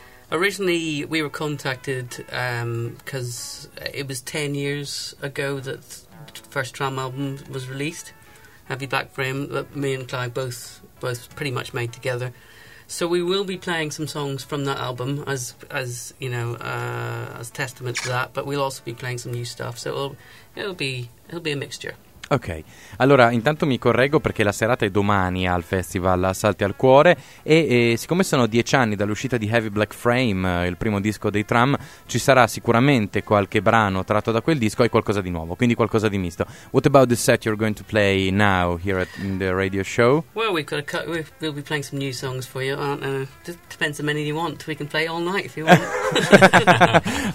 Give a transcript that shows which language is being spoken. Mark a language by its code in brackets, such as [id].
[en] Originally, we were contacted because it was 10 years ago that the first Tram album was released, Heavy Black Frame, that me and Clive both pretty much made together. So we will be playing some songs from that album as you know, as testament to that, but we'll also be playing some new stuff. So it'll be a mixture. [it] Ok, allora intanto mi correggo perché la serata è domani al Festival Salti al Cuore e siccome sono 10 anni dall'uscita di Heavy Black Frame, il primo disco dei Tram, ci sarà sicuramente qualche brano tratto da quel disco e qualcosa di nuovo, quindi qualcosa di misto. [en] What about the set you're going to play now here at in the radio show? Well, we'll be playing some new songs for you, just depends how many you want, we can play all night if you want.